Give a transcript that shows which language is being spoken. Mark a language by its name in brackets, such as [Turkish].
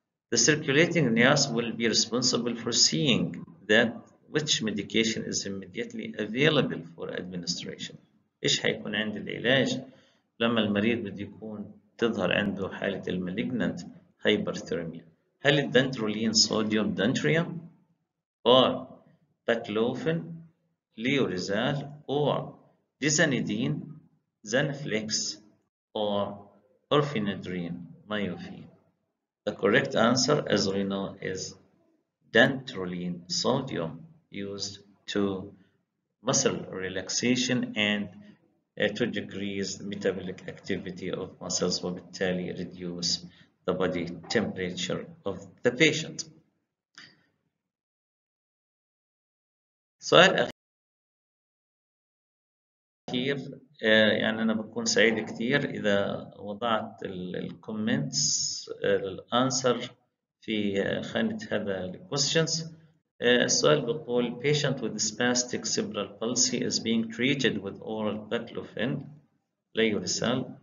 [English] The circulating nurse will be responsible for seeing that which medication is immediately available for administration. [Arabic] إيش هيكون عند العلاج لما المريض بده يكون تظهر عنده حالة المالignant hyperthermia. هل الدنترولين صوديوم دنتريوم or baclofen ليوريزال or ديزانيدين زانفليكس or orphenadrine مايوفين. [English] The correct answer as we know is dantrolene sodium used to muscle relaxation and to decrease metabolic activity of muscles [Arabic] وبالتالي [English] reduce the body temperature of the patient. [Arabic] سؤال أخير يعني أنا بكون سعيد كثير إذا وضعت الكومنتس الأنسر في خانة هذا الكويستشنز. السؤال بيقول [English] patient with spastic cerebral palsy is being treated with oral baclofen Lioresal.